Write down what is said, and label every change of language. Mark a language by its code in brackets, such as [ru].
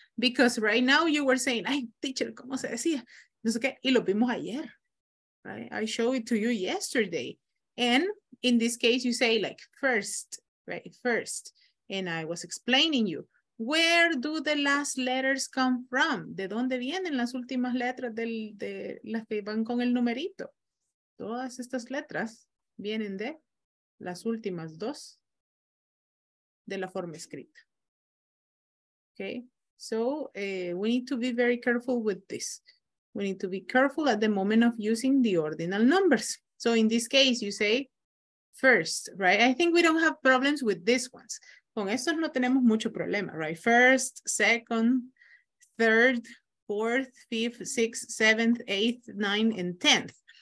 [en] Because right now you were saying, ay, teacher, [es] ¿cómo se decía? No sé qué. Y lo vimos ayer. Right? [en] I showed it to you yesterday. And in this case, you say like first, right? First. And I was explaining you, where do the last letters come from? [es] ¿De dónde vienen las últimas letras de las que van con el numerito? Todas estas letras vienen de las últimas dos de la forma escrita. [en] Okay, so we need to be very careful with this. We need to be careful at the moment of using the ordinal numbers. So in this case, you say first, right? I think we don't have problems with these ones. [es] Con estos no tenemos mucho problema, [en] right? First, second, third, fourth, fifth, sixth, seventh, eighth, ninth, and tenth.